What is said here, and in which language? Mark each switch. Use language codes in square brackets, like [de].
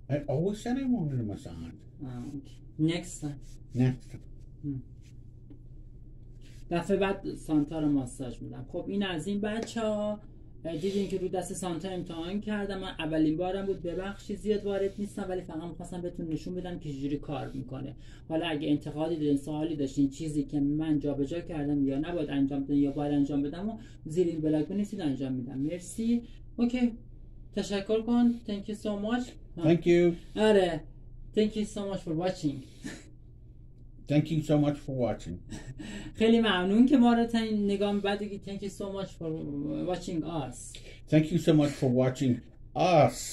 [en] I always said I wanted a massage. Okay. Next time. Next time. [fa] دفعه بعد سانتا رو ماساژ میدم. خب این از این بچه ها. دیدین که رو دست سانتا امتحان کردم، من اولین بارم بود، ببخشید زیاد وارد نیستم، ولی فقط میخواستم بهتون نشون بدم که جوری کار میکنه. حالا اگه انتقادی دارین، سوالی داشتین، چیزی که من جابجا کردم یا نباید انجام بدم یا باید انجام بدم، و زیر این بلاگ بنویسید انجام میدم. مرسی. اوکی، تشکر کن. [en] Thank you so much. Thank you. [fa] آره. [en] Thank you so much for watching. Thank you so much for watching. [fa] خیلی ممنون که ما رو تا این نگام بدگی. [en] Thank you so much for watching us. Thank you so much for watching us.